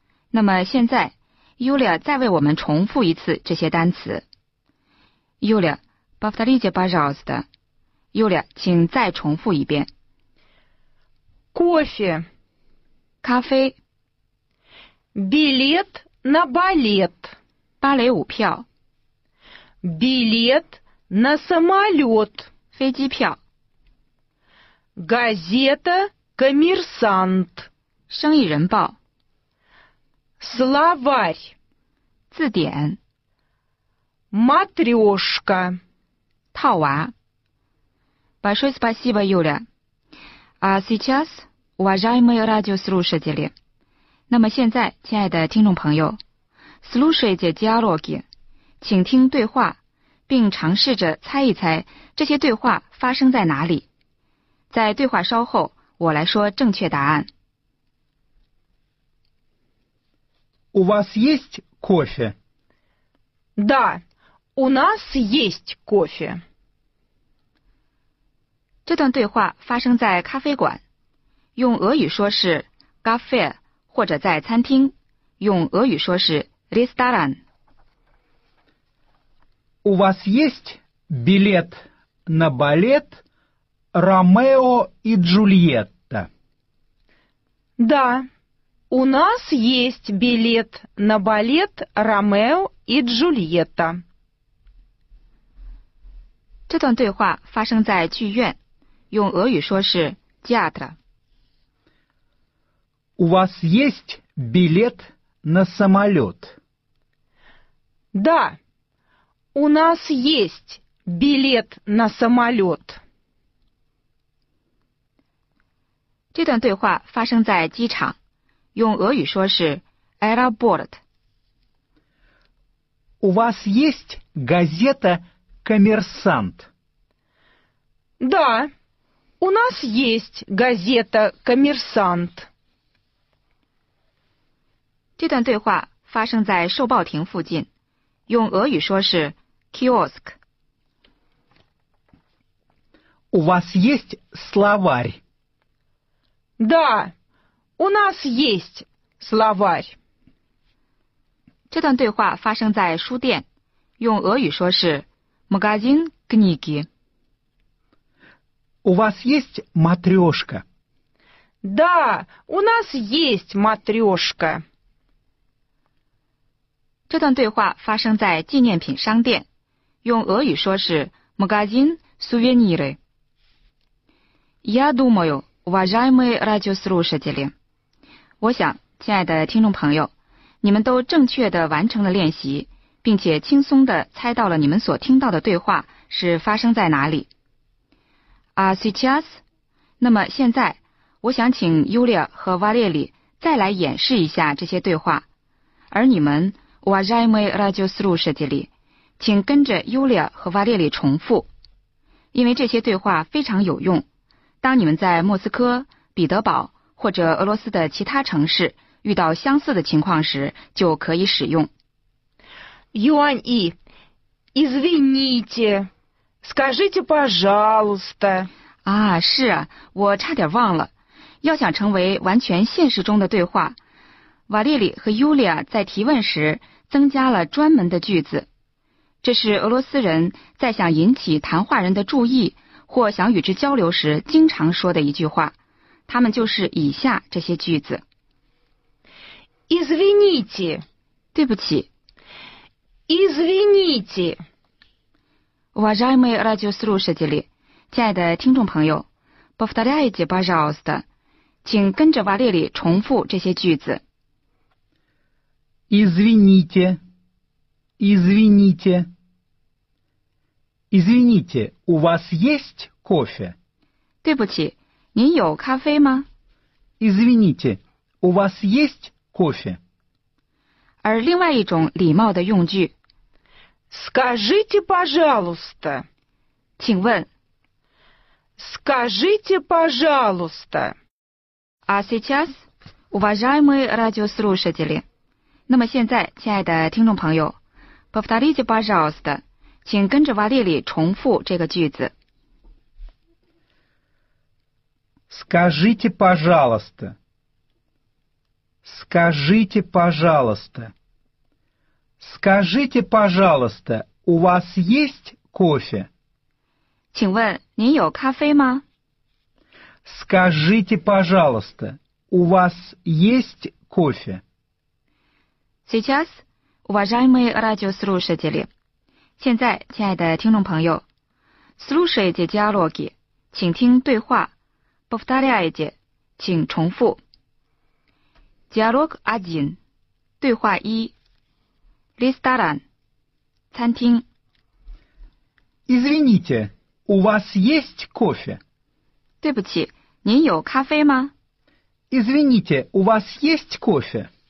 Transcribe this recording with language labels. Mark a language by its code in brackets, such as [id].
[zh] 那么现在 Юля 再为我们重复一次这些单词。 [ru] Юля, повторите, пожалуйста. [zh] Юля, 请再重复一遍。 [ru] Кофе. [zh] 咖啡。 [ru] Билет на балет. [zh] 芭蕾舞票。 [ru] Билет на самолет. [zh] 飞机票。 [ru] Газета «Коммерсант». [zh] 生意人报。 [ru] Словарь. [zh] 字典。 [ru] Матрешка. [zh] 套娃。 [ru] Большое спасибо, Юля. А сейчас, уважаемые радиослушатели. [zh] 那么现在，亲爱的听众朋友， [ru] слушайте диалоги. [zh] 请听对话，并尝试着猜一猜这些对话发生在哪里。在对话稍后，我来说正确答案。 [ru] У вас есть кофе? Да, у нас есть кофе. [zh] 这段对话发生在咖啡馆，用俄语说是 кафе， 或者在餐厅，用俄语说是 ресторан。 [ru] У вас есть билет на балет? Ромео и Джульетта. Да, у нас есть билет на балет Ромео и Джульетта. [zh] 这段对话发生在剧院，用俄语说是 театр. [ru] У вас есть билет на самолет? Да, у нас есть билет на самолет. [zh] 这段对话发生在机场，用俄语说是 аэропорт。 [ru] У вас есть газета «Коммерсант»? Да, у нас есть газета «Коммерсант». [zh] 这段对话发生在售报亭附近，用俄语说是 киоск。 [ru] У вас есть словарь? Да, у нас есть словарь. [zh] 这段对话发生在书店，用俄语说是 [ru] магазин книги. У вас есть матрешка? Да, у нас есть матрешка. [zh] 这段对话发生在纪念品商店，用俄语说是 [ru] магазин сувениры. Я думаю. Уважаемые радиослушатели, [zh] 我想，亲爱的听众朋友，你们都正确地完成了练习，并且轻松地猜到了你们所听到的对话是发生在哪里。 [ru] А сейчас? [zh] 那么现在，我想请 Юлия 和 Валерий 再来演示一下这些对话，而你们 [ru] Уважаемые радиослушатели, [zh] 请跟着 Юлия 和 Валерий 重复，因为这些对话非常有用。当你们在莫斯科、彼得堡或者俄罗斯的其他城市遇到相似的情况时，就可以使用。 [ru] Юань И, извините, скажите, пожалуйста. [zh] 啊，是啊，我差点忘了。要想成为完全现实中的对话，瓦列里和尤利亚在提问时增加了专门的句子。这是俄罗斯人在想引起谈话人的注意或想与之交流时经常说的一句话，他们就是以下这些句子。 [ru] Извините. [zh] 对不起。 [ru] Извините. Уважаемые радиослушатели, [zh] 亲爱的听众朋友， [ru] повторяйте, пожалуйста, [zh] 请跟着瓦列里重复这些句子。 [ru] Извините. Извините. Извините, у вас есть кофе? [zh] 对不起, 您有咖啡吗? [ru] Извините, у вас есть кофе? [zh] 而另外一种礼貌的用句, [ru] Скажите, пожалуйста. [zh] 请问, [ru] Скажите, пожалуйста. А сейчас, уважаемые радиослушатели, [zh] 那么现在, 亲爱的听众朋友, [ru] повторите, пожалуйста, [zh] 请跟着瓦列里重复这个句子. [ru] Скажите, пожалуйста. Скажите, пожалуйста. Скажите, пожалуйста, у вас есть кофе? [zh] 请问您有咖啡吗? [ru] Скажите, пожалуйста, у вас есть кофе? Сейчас, уважаемые радиослушатели, [zh] 现在,亲爱的听众朋友, [ru] слушайте диалоги, [zh] 请听对话, [ru] повторяйте, [zh] 请重复. [ru] Диалог 1, [zh] 对话 1. [ru] Ресторан, 餐厅. Извините, у вас есть кофе? [zh] 对不起, 您有咖啡吗? [ru] Извините, у вас есть кофе?